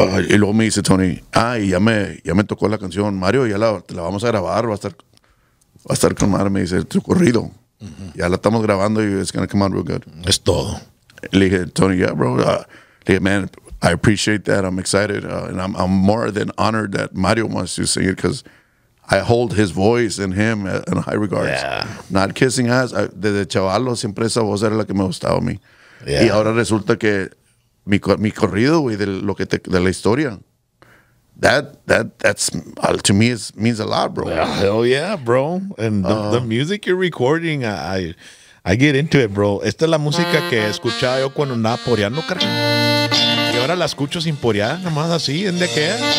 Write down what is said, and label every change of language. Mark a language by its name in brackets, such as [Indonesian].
[Spanish] Y luego me dice Tony, ay, ya me tocó la canción, Mario, ya la vamos a grabar, va a estar con Mario, me dice, tu corrido, ya la estamos grabando y [English] it's gonna come out real good. [Spanish] Es todo. [English] Le dije, Tony, yeah, bro, [Spanish] le dije, [English] man, I appreciate that, I'm excited, and I'm more than honored that Mario wants to sing it, because I hold his voice and him in high regards. Yeah. Not kissing ass, [Spanish] desde chavalo siempre esa voz era la que me gustaba a mí. Yeah. Y ahora resulta que mi corrido, güey, de la historia. [English] That's to me is means a lot, bro. Well, hell yeah, bro. And the music you're recording, I get into it, bro. [Spanish] Esta es la música que escuchaba yo cuando andaba poreando, carajo. Y ahora la escucho sin porear, nomás así, ¿en de qué?